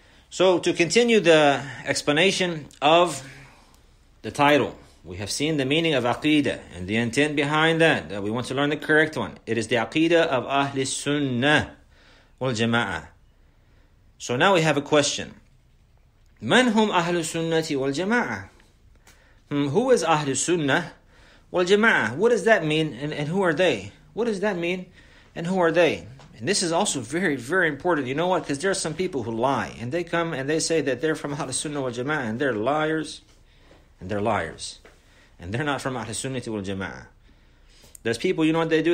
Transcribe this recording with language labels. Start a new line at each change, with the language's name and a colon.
English: So to continue the explanation of the title, we have seen the meaning of aqidah and the intent behind that, that we want to learn the correct one. It is the aqidah of Ahlus Sunnah wal Jama'ah. So now we have a question.
Arabic: من هم أهل السنة والجماعة؟
English: Who is
Arabic: أهل السنة والجماعة?
English: What does that mean, and who are they? What does that mean, and who are they? And this is also very, very important. You know what? Because there are some people who lie, and they come and they say that they're from أهل السنة والجماعة, and they're liars, and they're liars. And they're not from أهل السنة والجماعة. There's people, you know what they do?